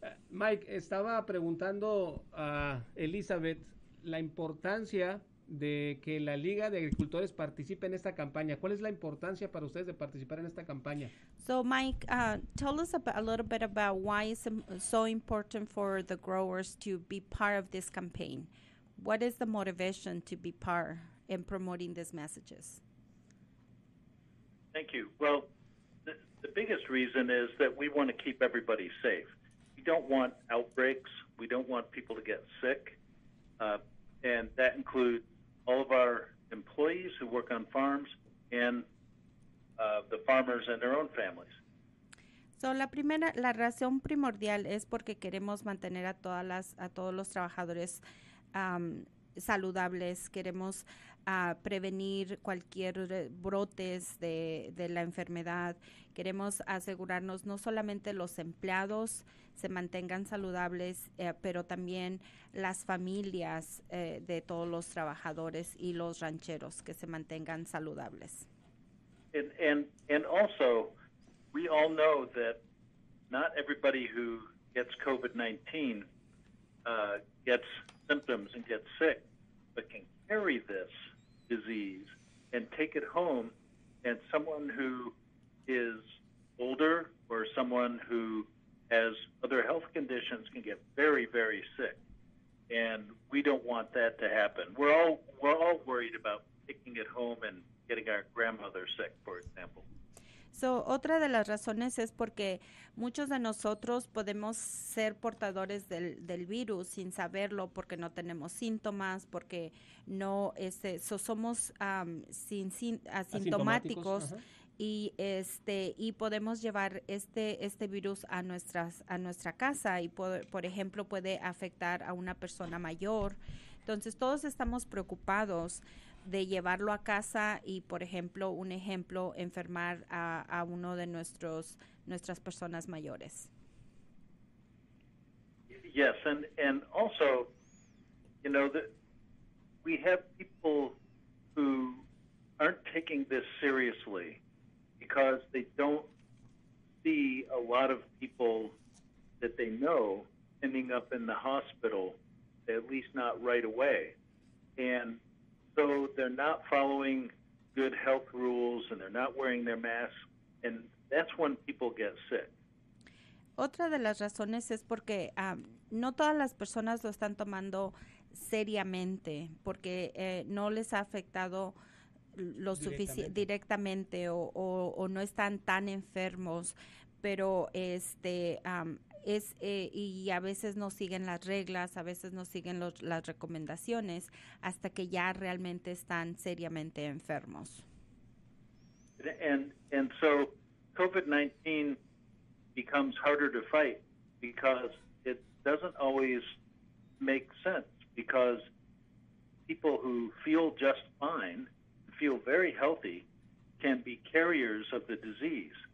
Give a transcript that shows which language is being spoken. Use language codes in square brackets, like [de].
[es] Mike, estaba preguntando a Elizabeth la importancia de que la Liga de Agricultores participe en esta campaña. ¿Cuál es la importancia para ustedes de participar en esta campaña? [en] So, Mike, tell us a little bit about why it's so important for the growers to be part of this campaign. What is the motivation to be part in promoting these messages? Thank you. Well, the biggest reason is that we want to keep everybody safe. We don't want outbreaks. We don't want people to get sick. And that includes all of our employees who work on farms and the farmers and their own families. [es] So la razón primordial es porque queremos mantener a todos los trabajadores saludables. Queremos prevenir cualquier brotes de la enfermedad. Queremos asegurarnos no solamente los empleados se mantengan saludables, pero también las familias de todos los trabajadores y los rancheros que se mantengan saludables. [en] And also, we all know that not everybody who gets COVID-19 gets symptoms and gets sick, but can carry this disease and take it home, and someone who is older or someone who has other health conditions can get very, very sick, and we don't want that to happen. We're all worried about taking it home and getting our grandmother sick, for example. [es] So, otra de las razones es porque muchos de nosotros podemos ser portadores del virus sin saberlo porque no tenemos síntomas, porque no somos asintomáticos. Uh-huh. Y podemos llevar este virus a nuestra casa y por ejemplo puede afectar a una persona mayor. Entonces todos estamos preocupados de llevarlo a casa y por ejemplo enfermar a uno de nuestras personas mayores. [en] Yes, and also, you know, we have people who aren't taking this seriously because they don't see a lot of people that they know ending up in the hospital, at least not right away. And so they're not following good health rules and they're not wearing their masks, and that's when people get sick. [es] Otra de las razones es porque no todas las personas lo están tomando seriamente porque no les ha afectado lo suficiente directamente o no están tan enfermos, pero y a veces no siguen las reglas, a veces no siguen las recomendaciones hasta que ya realmente están seriamente enfermos. [en] And so COVID-19 becomes harder to fight because it doesn't always make sense, because people who feel just fine, feel very healthy, can be carriers of the disease.